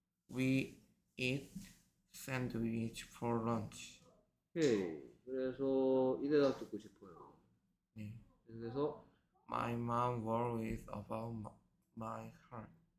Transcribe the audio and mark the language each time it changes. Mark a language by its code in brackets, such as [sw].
[en] We eat sandwich for lunch. [ko] 오케이. 그래서 이 대답 듣고 싶어요. 그래서 [en] My mom worries about my heart.